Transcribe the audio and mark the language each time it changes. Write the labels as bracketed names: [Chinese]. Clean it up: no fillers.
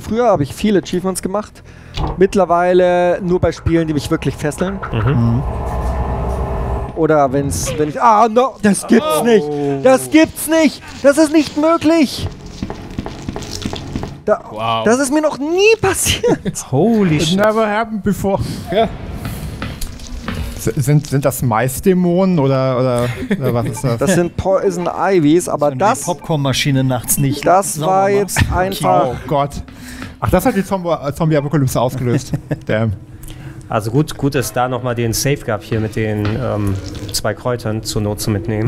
[German] Früher habe ich viele Achievements gemacht. Mittlerweile nur bei Spielen, die mich wirklich fesseln. Oder wenn ich. Ah, no, das gibt's nicht! Das gibt's nicht! Das ist nicht möglich! Da, wow. Das ist mir noch nie passiert! [English] Holy shit! It never happened before. [German] Sind das Maisdämonen oder was ist das? Das sind Poison Ivies, aber wenn das... die Popcorn-Maschine nachts nicht. Das war jetzt einfach... Oh Gott. Ach, das hat die Zombie-Apokalypse ausgelöst. [English] Damn. [German] Also gut, dass da nochmal den Safe gab hier mit den zwei Kräutern zur Not zu mitnehmen.